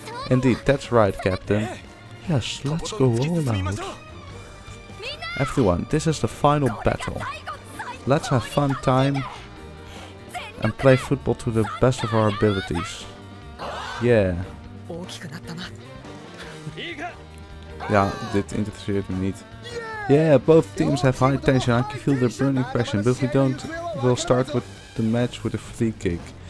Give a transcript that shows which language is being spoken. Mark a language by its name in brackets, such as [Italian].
[English] Indeed, that's right, Captain. Yes, let's go all out. Everyone, this is the final battle. Let's have fun time and play football to the best of our abilities. [Dutch] Yeah, dit interesseert me niet. [English] Yeah, both teams have high tension. I can feel their burning passion. But if we don't, we'll start with the match with a free kick.